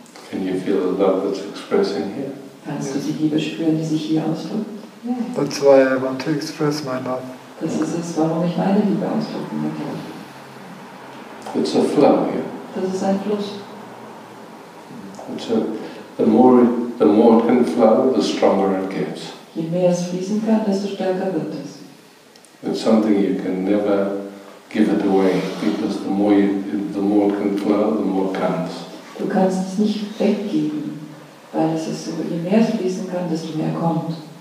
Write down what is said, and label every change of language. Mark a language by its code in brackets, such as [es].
[en] Can you feel the love that's expressing here? [de] Kannst du die Liebe spüren, die sich hier ausdrückt? [en] Yeah. That's why I want to express my love. [de] Das ist es, warum ich meine Liebe ausdrücken möchte. [en] It's a flow here. [de] Das ist ein Fluss. [en] It's a, the more it can flow, the stronger it gets. [de] Je mehr es fließen kann, desto stärker wird es. [en] It's something you can never give it away, because the more it can flow, the more it comes. [de] Du kannst es nicht weggeben, weil es ist so, je mehr es fließen kann, desto mehr kommt.